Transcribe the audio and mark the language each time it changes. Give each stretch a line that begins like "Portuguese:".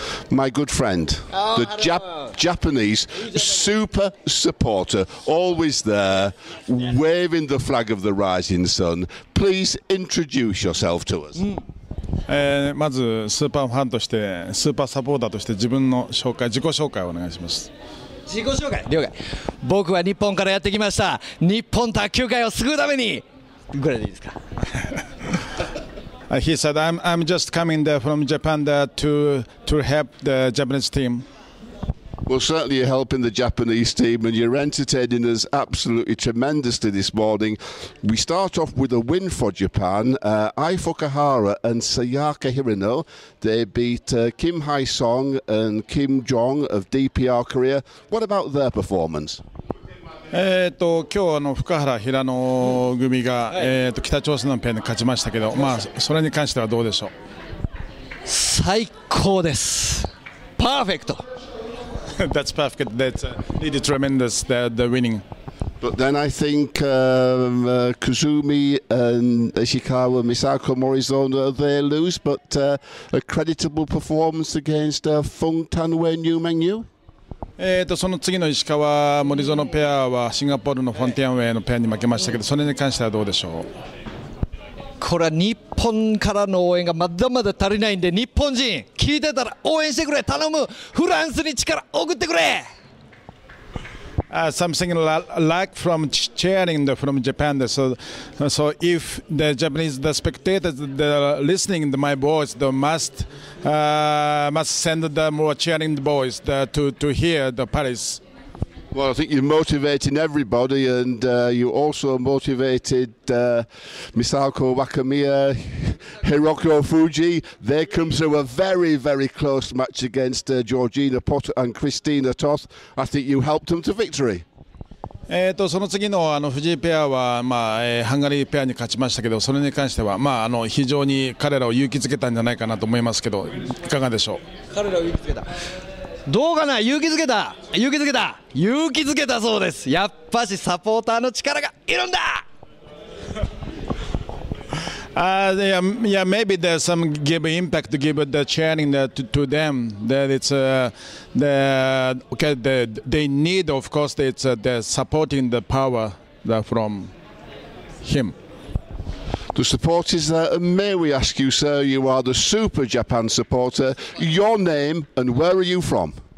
English: my good friend, Japanese super supporter, always there, waving the flag of the rising sun. Please introduce yourself to us.
Japanese: まずスーパーファンとしてスーパーサポーターとして自分の紹介、自己紹介をお願いします。自己紹介、了解。僕は日本からやってきました。日本卓球界を救うためにぐらいでいいですか。
English: He said, I'm just coming there from Japan there to help the Japanese team. Well, certainly you're helping the Japanese team and you're entertaining us absolutely tremendously this morning. We start off with a win for Japan. Ai Fukuhara and Sayaka Hirano, they beat Kim Hae-song and Kim Jong of DPR Korea. What about their performance?
Japanese: 今日福原平野組が、北朝鮮のペアに勝ちましたけど、まあ、それに関してはどうでしょう。最高です。パーフェクト。
English: That's perfect. That's really tremendous, the winning. But then I think Kuzumi and Ishikawa Misako Morizono, they lose, but a creditable performance against Feng Tanwei Niu Mengyu?
Japanese: その次の石川森園ペアはシンガポールのフォンティアンウェイのペアに負けましたけど、それに関してはどうでしょう。これは日本からの応援がまだまだ足りないんで、日本人聞いてたら応援してくれ、頼む、フランスに力送ってくれ。
English: Something like from cheering from Japan. So if the Japanese, the spectators, the listening to my voice, they must send the more cheering voice to hear the Paris. Well, I think you're motivating everybody, and you also motivated Misako Wakamiya, Hirokio Fuji. They come to a very, very close match against Georgina Potter and Christina Toth. I think you helped them to victory.
Japanese: その次の藤井ペアは、まあハンガリーペアに勝ちましたけど、それに関しては、まあ、非常に彼らを勇気づけたんじゃないかなと思いますけど、いかがでしょう。彼らを勇気づけた。どうかな、勇気づけた、勇気づけた、勇気づけたそうです。やっぱしサポーターの力がいるんだ。
English: yeah, maybe there's some give impact to give the cheering to them, that it's the okay, they need, of course, it's the supporting the power from him. The support is there, and may we ask you, sir, you are the Super Japan supporter, your name and where are you from?